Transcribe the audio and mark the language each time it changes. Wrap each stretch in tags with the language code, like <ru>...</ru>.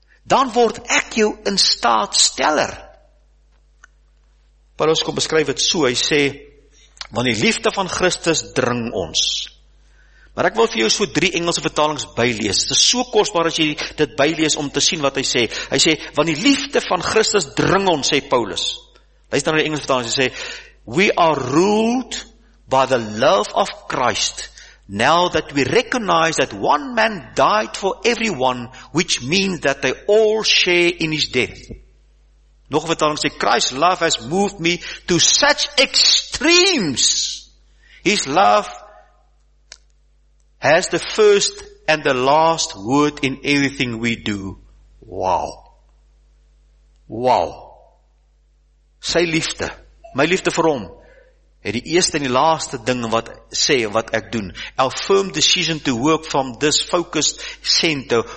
<af>Dan word ek jou in staat steller. Paulus kom beskryf dit so, hy sê, want die liefde van Christus dring ons. Maar ek wil vir jou so 3 Engelse vertalings bylees. Dit is so kostbaar as jy dit bylees om te sien wat hy sê. Hy sê, want die liefde van Christus dring ons, sê Paulus. Luister na die Engelse vertaling, hy sê,</af> <en>we are ruled by the love of Christ, now that we recognize that one man died for everyone, which means that they all share in his death.</en> <af>Nog een vertaling sê,</af> <en>Christ's love has moved me to such extremes. His love has the first and the last word in everything we do. Wow. Wow.</en> <af>Sy liefde, my liefde vir hom, het die eerste en die laaste ding wat sê en wat ek doen.</af> <en>A firm decision to work from this focused center.</en>